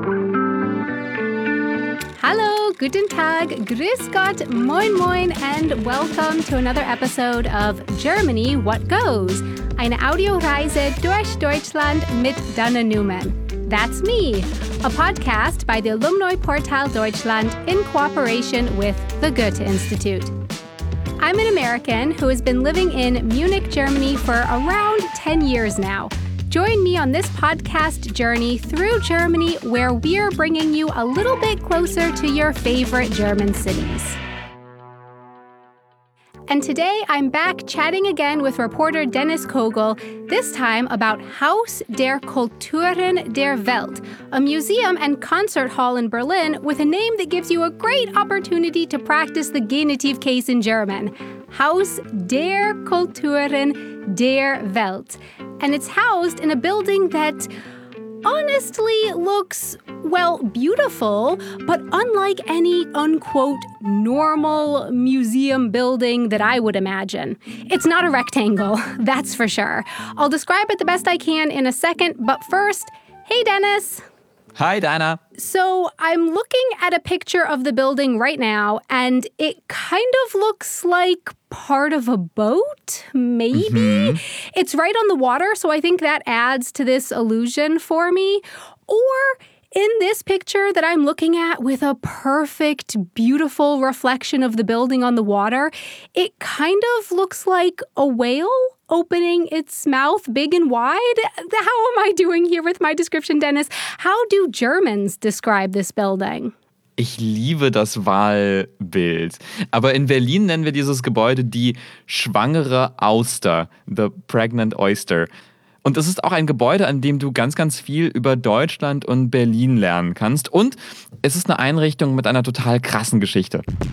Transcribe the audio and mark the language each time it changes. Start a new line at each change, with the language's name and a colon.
German: Hallo, guten Tag, grüß Gott, moin moin,
English: and welcome to another episode of
German: Germany What Goes, eine Audioreise durch Deutschland mit Dana Neumann.
English: That's me, a podcast by the Alumni Portal Deutschland in cooperation with the Goethe Institute. I'm an American who has been living in Munich, Germany for around 10 years now. Join me on this podcast journey through Germany, where we're bringing you a little bit closer to your favorite German cities. And today I'm back chatting again with reporter Dennis Kogel, this time about Haus der Kulturen der Welt, a museum and concert hall in Berlin with a name that gives you a great opportunity to practice the genitive case in German.
German: Haus der Kulturen der Welt.
English: And it's housed in a building that honestly looks, well, beautiful, but unlike any, unquote, normal museum building that I would imagine. It's not a rectangle, that's for sure. I'll describe it the best I can in a second, but first, hey, Dennis. Hi, Dana. So I'm looking at a picture of the building right now, and it kind of looks like part of a boat, maybe? Mm-hmm. It's right on the water, so I think that adds to this illusion for me. Or in this picture that I'm looking at with a perfect, beautiful reflection of the building on the water, it kind of looks like a whale opening its mouth big and wide. How am I doing here with my description, Dennis? How do Germans describe this building?
German: Ich liebe das Wahlbild. Aber in Berlin nennen wir dieses Gebäude die schwangere Auster,
English: the pregnant oyster.
German: Und es ist auch ein Gebäude, an dem du ganz, ganz viel über Deutschland und Berlin lernen kannst. Und es ist eine Einrichtung mit einer total krassen Geschichte.